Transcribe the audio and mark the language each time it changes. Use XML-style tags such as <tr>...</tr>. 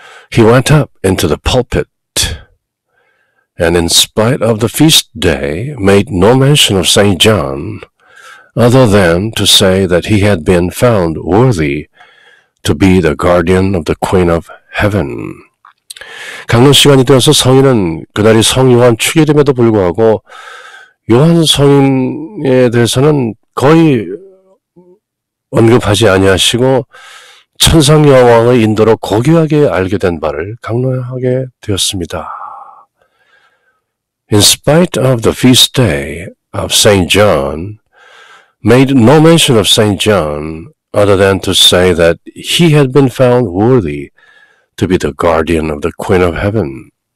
<en>He went up into the pulpit and in spite of the feast day made no mention of St. John other than to say that he had been found worthy to be the guardian of the Queen of Heaven.</en> <ko>강론 시간이 되어서 성인은 그날이 성 요한 축일임에도 불구하고 요한 성인에 대해서는 거의 언급하지 아니하시고 천상 여왕의 인도로 고귀하게 알게 된 바를 강론하게 되었습니다.</ko> <en>In spite of the feast day of St. John, made no mention of St. John other than to say that he had been found worthy to be the guardian of the Queen of Heaven.</en>